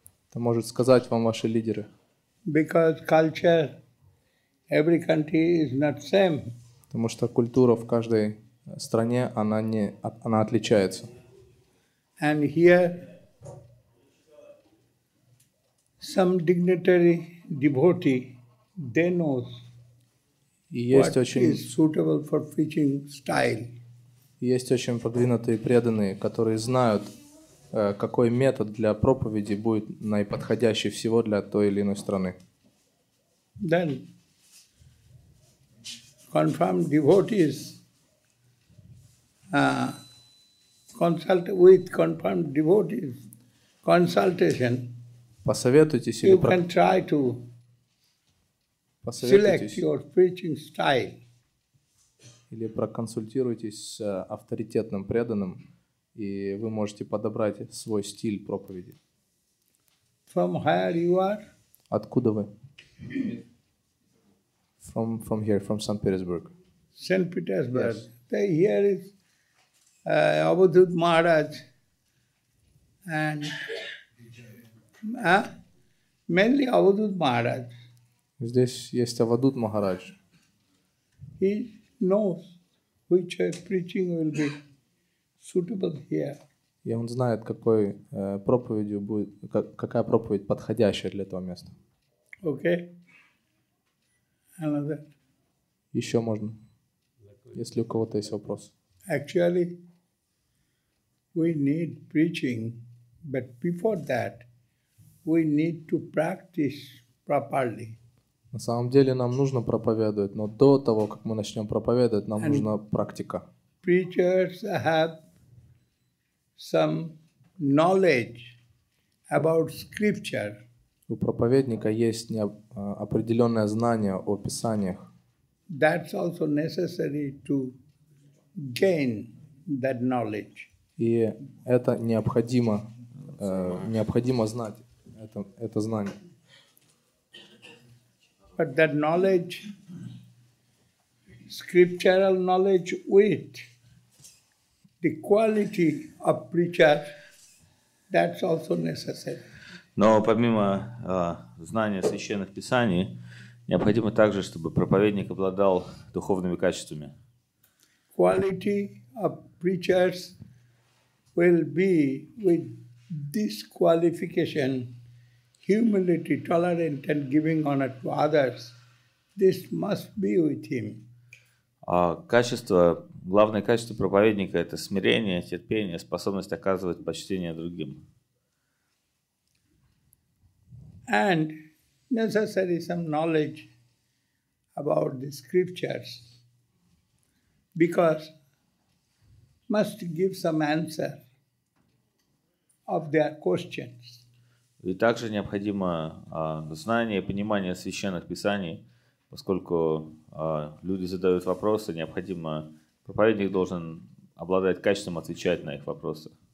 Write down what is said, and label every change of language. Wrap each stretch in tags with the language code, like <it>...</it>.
<ru>Это может сказать вам ваши лидеры.</ru> <en>Because culture, every country is not same.</en> <ru>Потому что культура в каждой стране она не она отличается.</ru> <en>And here some dignitary devotee, they know what</en> <ru>очень,</ru> <en>is suitable for preaching style.</en> <ru>Есть очень продвинутые преданные, которые знают, какой метод для проповеди будет наиподходящий всего для той или иной страны.</ru> <en>Then confirmed devotees consult with confirmed devotees consultation.</en> <ru>Посоветуйтесь</ru> <en>или you can try to select your preaching style.</en> <ru>Или проконсультируйтесь с авторитетным преданным, и вы можете подобрать свой стиль проповеди.</ru> <en>From where you are?</en> <ru>Откуда вы?</ru> <en>From here, from St. Petersburg. St. Petersburg. Yes. Here is Avadhut Maharaj. And mainly Avadhut Maharaj.</en> <ru>Здесь есть Avadhut Maharaj.</ru> <en>He knows which preaching will be suitable here.</en> <ru>И он знает, какой проповедью будет, какая проповедь подходящая для этого места.</ru> <en>Okay. Another.</en> <ru>Еще можно, если у кого-то есть вопрос.</ru> <en>Actually, we need preaching, but before that, we need to practice properly.</en> <ru>На самом деле нам нужно проповедовать, но до того, как мы начнем проповедовать, нам</ru> <en>and</en> <ru>нужна практика.</ru> <en>Preachers have some knowledge about scripture.</en> <ru>У проповедника есть определенное знание о писаниях.</ru> <en>That's also necessary to gain that knowledge.</en> <ru>И это необходимо знать это знание.</ru> <en>But that knowledge, scriptural knowledge with the quality of preacher, that's also necessary.</en> <ru>Но помимо знания священных писаний, необходимо также, чтобы проповедник обладал духовными качествами.</ru> <en>Quality of preachers will be with this qualification. Humility, tolerant and giving honor to others, this must be with him.</en> <ru>Качество, главное качество проповедника – это смирение, терпение, способность оказывать почтение другим.</ru> <en>And necessary some knowledge about the scriptures, because must give some answer of their questions.</en> <ru>И также необходимо знание и понимание священных писаний, поскольку люди задают вопросы, необходимо проповедник должен обладать качеством отвечать на их вопросы.</ru>